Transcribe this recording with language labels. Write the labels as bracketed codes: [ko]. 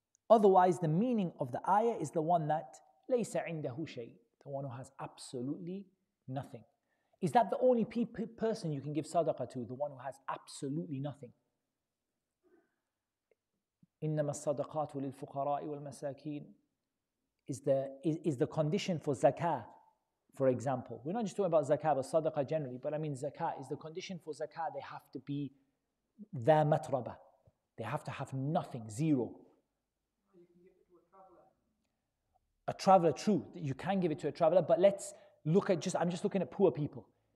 [en] Otherwise, the meaning of the ayah is the one that laysa indahu shay, the one who has absolutely nothing. Is that the only person you can give sadaqah to, the one who has absolutely nothing? [ar] إنما الصدقات للفقراء والمساكين [en] is the condition for zakah, for example. We're not just talking about zakah, but sadaqah generally. But I mean, zakah is the condition for zakah. They have to be ذا matraba. They have to have nothing, zero. A traveler, true. You can give it to a traveler, but let's look at I'm just looking at poor people.